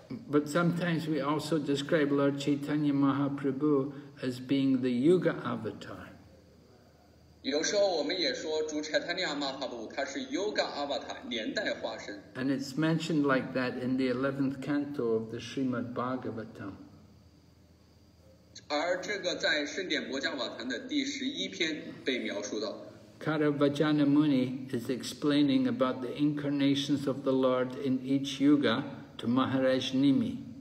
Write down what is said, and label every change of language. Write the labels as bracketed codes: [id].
[en] But sometimes we also describe Lord Chaitanya Mahaprabhu. As being the Yuga Avatar. [zh] 有时候我们也说主柴塔尼亚马哈布他是 Yuga Avatar 年代化身。 [en] And it's mentioned like that in the 11th canto of the Srimad Bhagavatam. [zh] 而这个在圣典博迦瓦坛的第十一篇被描述到。 [en] Karavajana Muni is explaining about the incarnations of the Lord in each Yuga to Maharaj Nimi.